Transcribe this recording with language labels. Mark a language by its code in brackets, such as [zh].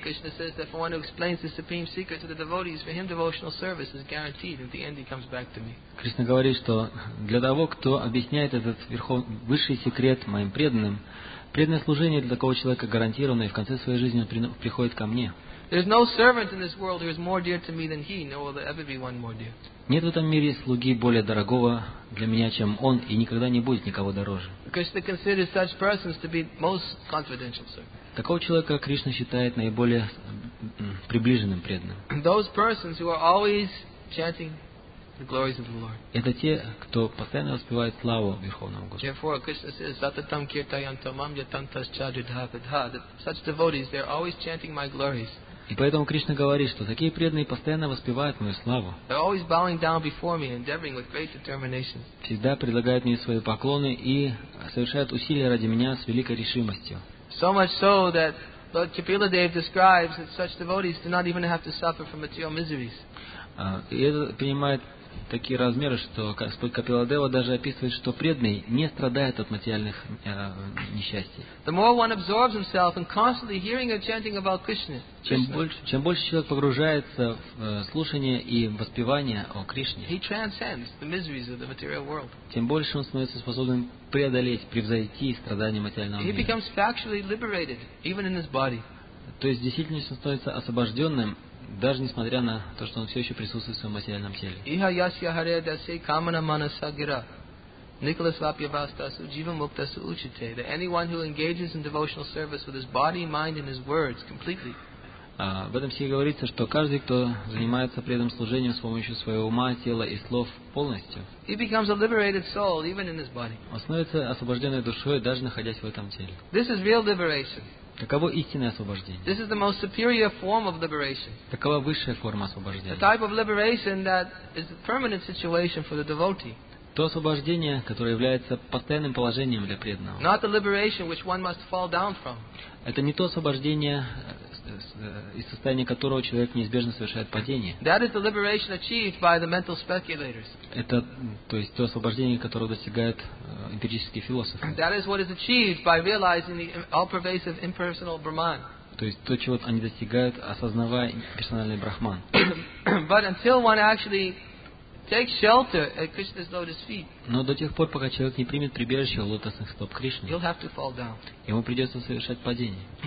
[en] Кришна says that for one who explains the supreme secret to the devotees, for him devotional service is guaranteed at the end he comes back to me. [ru] Кришна говорит, что для того, кто объясняет этот высший секрет моим преданным, преданное служение для такого человека гарантировано, и в конце своей жизни он приходит ко мне. [en] There's no servant in this world who is more dear to me than he, nor will there ever be one more dear. [ru] Нет в этом мире слуги более дорогого для меня, чем он, и никогда не будет никого дороже. [en] Krishna considers such persons to be most confidential servants. [ru] Такого человека Кришна считает наиболее приближенным преданным. [en] Those persons who are always chanting the glories of the Lord. [ru] Это те, кто постоянно воспевает славу Верховного Господа. [en] Therefore, Krishna says, [sa] "Satatam kirtayantamam yatantas chadidhavidha." [en] Such devotees, they're always chanting my glories. [ru] И поэтому Кришна говорит, что такие преданные постоянно воспевают мою славу. [en] They're always bowing down before me, endeavoring with great determination. [ru] Всегда предлагают мне свои поклоны и совершают усилия ради меня с великой решимостью. [en] So much so that Lord Kapila Dev describes that such devotees do not even have to suffer from material miseries. [ru] И это принимает такие размеры, что Господь Капила Дева даже описывает, что преданный не страдает от материальных несчастий. [en] The more one absorbs himself in constantly hearing and chanting about Krishna, [ru] чем больше человек погружается в слушание и воспевание о Кришне, [en] he transcends the miseries of the material world. [ru] Тем больше он становится способным преодолеть, превзойти страдания материального мира. [en] He becomes factually liberated, even in his body. [ru] То есть действительно он становится освобожденным, даже несмотря на то, что он все еще присутствует в своем материальном теле. [sa] Иха ясья харе дасе камана манаса гира. Николас вапья вастасу джива муктасу учите. [en] That anyone who engages in devotional service with his body, mind and his words completely. [ru] В этом стихе говорится, что каждый, кто занимается преданным служением с помощью своего ума, тела и слов полностью, [en] he becomes a liberated soul even in his body. [ru] Он становится освобожденной душой, даже находясь в этом теле. [en] This is real liberation. [ru] Таково истинное освобождение. [en] This is the most superior form of liberation. [ru] Такова высшая форма освобождения. [en] The type of liberation that is a permanent situation for the devotee. [ru] То освобождение, которое является постоянным положением для преданного. [en] Not the liberation which one must fall down from. [ru] Это не то освобождение, из состояния которого человек неизбежно совершает падение. [en] That is the liberation achieved by the mental speculators. [ru] Это, то есть, то освобождение, которое достигает эмпирический философ. [en] That is what is achieved by realizing the all-pervasive impersonal Brahman. [ru] То есть то, чего они достигают, осознавая персональный Брахман. [en] But until one actually takes shelter at Krishna's lotus feet, [ru] но до тех пор, пока человек не примет прибежище у лотосных стоп Кришны, [en] he'll have to fall down. [ru] Ему придется совершать падение.